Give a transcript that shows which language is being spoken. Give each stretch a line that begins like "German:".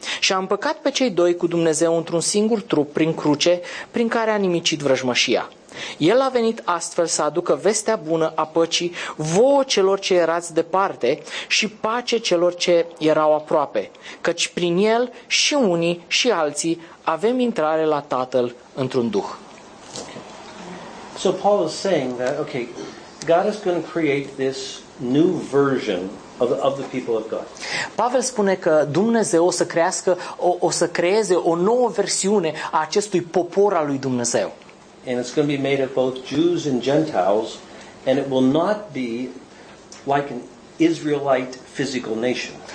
Romanian: Și a împăcat pe cei doi cu Dumnezeu într-un singur trup prin cruce, prin care a nimicit vrăjmășia. El a venit astfel să aducă vestea bună a păcii vouă celor ce erați departe și pace celor ce erau aproape, căci prin el și unii și alții avem intrare la Tatăl într-un duh.
English: Okay. So Paul is saying that okay, God is going to create this new version of the people of God.
Romanian: Pavel spune că Dumnezeu o să creeze o nouă versiune a acestui popor al lui Dumnezeu.
English: And it's going to be made of both Jews and Gentiles, and it will not be like an Israelite physical nation.